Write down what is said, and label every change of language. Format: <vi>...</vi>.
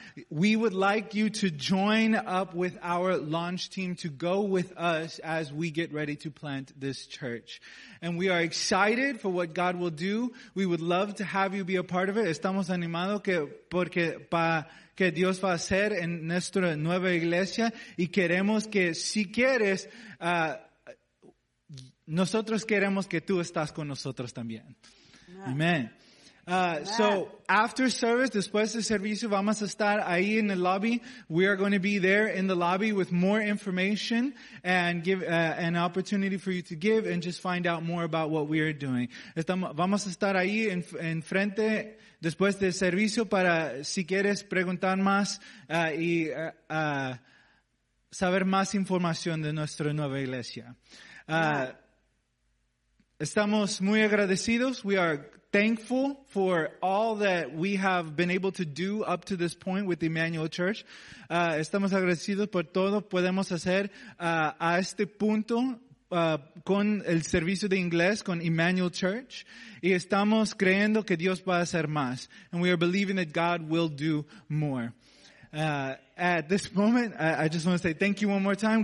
<en>We would like you to join up with our launch team to go with us as we get ready to plant this church. And we are excited for what God will do. We would love to have you be a part of it.</en> <es>Estamos animados que Dios va a hacer en nuestra nueva iglesia. Y queremos que si quieres, nosotros queremos que tú estás con nosotros también.</es> <en>Amen. So after service,</en> <es>después de servicio, vamos a estar ahí</es> <en>in the lobby. We are going to be there in the lobby with more information and give an opportunity for you to give and just find out more about what we are doing.</en> <es>Vamos a estar ahí en frente después de servicio para si quieres preguntar más y saber más información de nuestra nueva iglesia. Estamos muy agradecidos.</es> <en>We are thankful for all that we have been able to do up to this point with Emmanuel Church.</en> <es>Estamos agradecidos por todo podemos hacer a este punto con el servicio de inglés con Emmanuel Church. Y estamos creyendo que Dios va a hacer más.</es> <en>And we are believing that God will do more. At this moment, I just want to say thank you one more time.</en>